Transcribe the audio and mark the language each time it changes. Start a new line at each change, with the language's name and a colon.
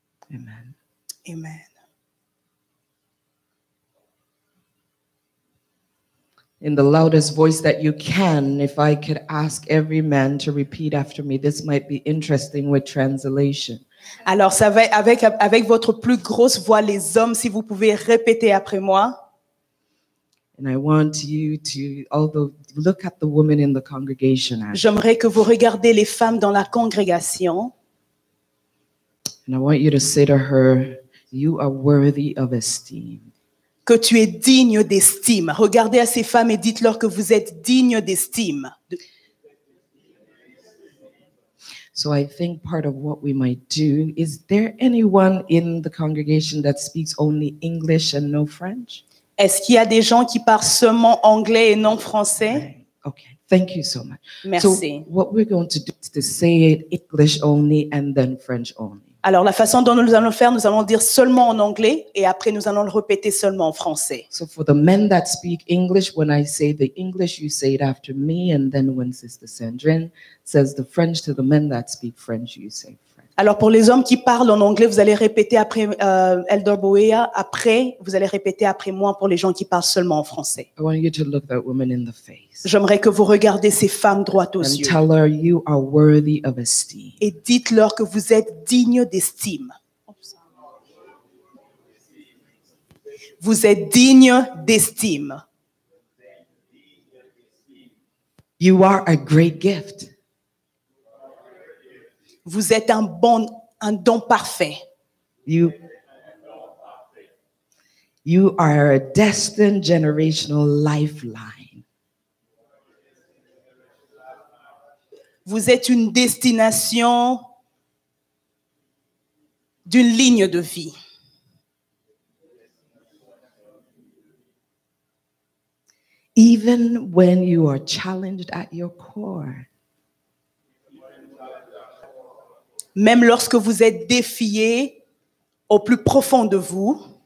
English: Amen. Amen. In the loudest voice that you can, if I could ask every man to repeat after me, this might be interesting with translation.
French: Alors, ça va avec votre plus grosse voix, les hommes, si vous pouvez répéter après moi.
English: And I want you to, although look at the woman in the congregation.
French: J'aimerais que vous regardiez les femmes dans la congrégation.
English: And I want you to say to her, "You are worthy of esteem."
French: Que tu es digne d'estime. Regardez à ces femmes et dites-leur que vous êtes digne d'estime.
English: So I think part of what we might do, is there anyone in the congregation that speaks only English and no French?
French: Est-ce qu'il y a des gens qui parlent seulement anglais et non français?
English: Okay. Thank you so much.
French: Merci.
English: So what we're going to do is to say it English only and then French only.
French: Alors la façon dont nous allons faire, nous allons le dire seulement en anglais et après nous allons le répéter seulement en français.
English: So for the men that speak English, when I say the English, you say it after me, and then when Sister Sandrine says the French to the men that speak French, you say
French: Alors, pour les hommes qui parlent en anglais, vous allez répéter après Elder Boea. Après, vous allez répéter après moi pour les gens qui parlent seulement en français.
English: I want you to look that woman in the face.
French: J'aimerais que vous regardiez ces femmes droit aux
English: and
French: yeux.
English: Tell her you are worthy of esteem.
French: Et dites-leur que vous êtes digne d'estime. Vous êtes digne d'estime.
English: You are a great gift.
French: Vous êtes un don parfait.
English: You are a destined generational lifeline.
French: Vous êtes une destination d'une ligne de vie.
English: Even when you are challenged at your core.
French: Même lorsque vous êtes défié au plus profond de vous,